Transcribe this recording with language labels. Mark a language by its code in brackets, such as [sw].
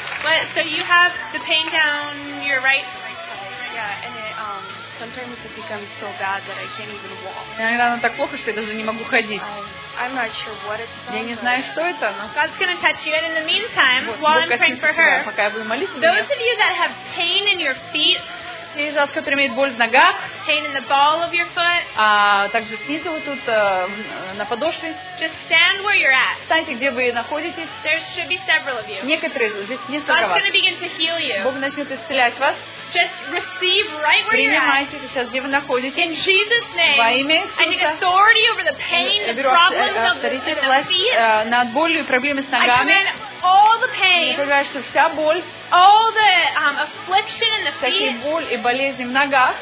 [en] But so you have the pain down your right side? Yeah, and sometimes it becomes so bad that I can't even walk. [ru] Иногда оно так плохо, что я даже не могу ходить. [en] I'm not sure what it's called. [ru] Я не знаю, что это, но... [en] God's going to touch you. And in the meantime, while I'm praying for her, those of you that have pain in your feet, [ru] те из вас, которые имеют боль в ногах, [en] pain in the ball of your foot, [ru] а также снизу вот тут на подошве, [en] just stand where you're at. [ru] Встаньте, где вы находитесь. [en] There should be several of you. [ru] Некоторые здесь несколько [en] God's [ru] вас. [en] Gonna begin to heal you. [ru] Бог начнет исцелять вас. [en] Just receive right where [ru] Принимайте [en] you're at. [ru] Принимайте сейчас, где вы находитесь. [en] In Jesus' name. [ru] Во имя Иисуса. [en] I need authority over the pain, the problems of the feet. [ru] Над болью и проблемами с ногами. [en] I command all the pain. [ru] Я говорю, что вся боль. [en] All the affliction in the feet. [ru] Всякие боли и болезни в ногах.